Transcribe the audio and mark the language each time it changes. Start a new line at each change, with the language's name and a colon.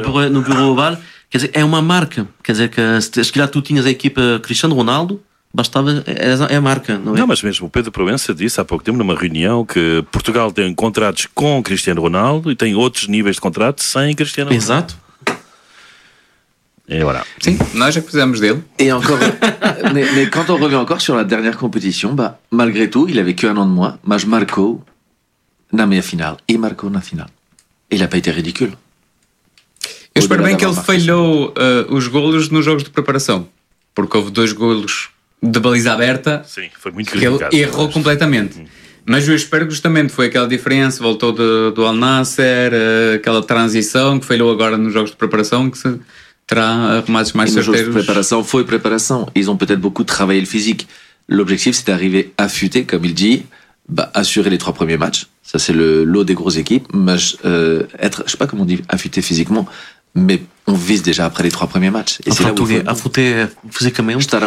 Portuguese: No Bureau Oval, quer dizer, é uma marca. Quer dizer, que se calhar tu tinhas a equipa Cristiano Ronaldo, bastava, é a marca, não é? Não, mas mesmo o Pedro Proença disse há pouco tempo numa reunião que Portugal tem contratos com Cristiano Ronaldo e tem outros níveis de contrato sem Cristiano Ronaldo. Exato. E agora? Sim, nós já precisamos dele.
French: E encore, mais quand on revient encore sur la dernière compétition, bah, malgré tout, il avait qu'un an de moins,
Portuguese: mas marcou na meia-final. E marcou na final.
French: Il a pas été ridicule.
Portuguese: bem que ele falhou os golos nos jogos de preparação, porque houve dois golos de baliza aberta. Sim, foi muito que ele errou completamente. Mas eu espero que justamente foi aquela diferença, voltou do Al Nasser, aquela transição que falhou agora nos jogos de preparação, que se terá arrumados mais certeiros. Nos jogos de preparação, foi preparação.
French: Eles ont peut-être beaucoup travaillé le physique. L'objectif, c'est d'arriver affûté, comme il dit, bah, assurer les trois premiers matchs. Ça, c'est le lot des grosses équipes. Mais être, je ne sais pas comment on dit, affûté physiquement, mais on vise déjà après les trois premiers matchs. Et enfin, c'est là où il faut... Enfin, tu